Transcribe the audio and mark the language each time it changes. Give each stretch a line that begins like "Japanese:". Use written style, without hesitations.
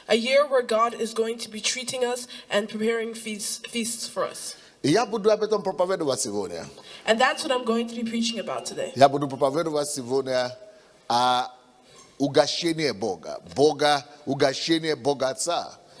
English: A year where God is going to be treating us and preparing feasts for us.
Russian: Я буду об этом проповедовать сегодня.
English: And that's what I'm going to be preaching about today.
Russian: Я буду проповедовать сегодня о угощении Бога. Бога, угощение Бога Отца.